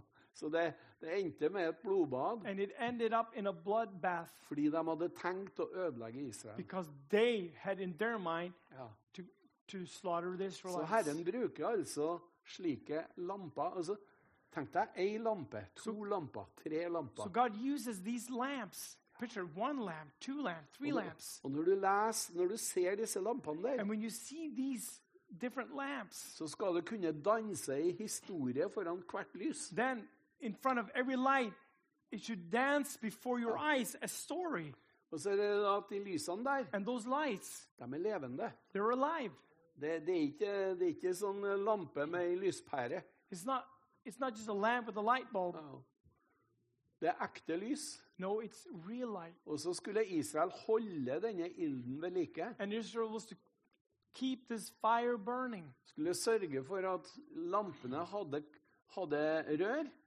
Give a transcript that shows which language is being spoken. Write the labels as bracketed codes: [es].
[no] Så det endte med et blodbad. [en] And it ended up in a bloodbath. [no] Fordi de hadde tenkt å ødelegge Israel. [en] Because they had in their mind to slaughter the Israelites. [no] Så Herren bruker altså slike lamper. Altså, tenk deg, en lampe, to lamper, tre lamper. [en] So God uses these lamps. Picture one lamp, two lamps, three lamps. [no] Og når du leser, når du ser disse lampene der, [en] and when you see these different lamps, [no] så skal du kunne danse I historie foran hvert lys. [en] Then, in front of every light, it should dance before your eyes a story. [no] Og så det da at de lysene der, [en] and those lights, [no] de levende. [en] They're alive. [no] Det ikke sånn lampe med en lyspære. [en] It's not just a lamp with a light bulb. [no] Oh. Det ekte lys. [en] No, it's real light. [no] Og så skulle Israel holde denne ilden ved like. [en] And Israel was to keep this fire burning. [no] Skulle sørge for at lampene hadde rør.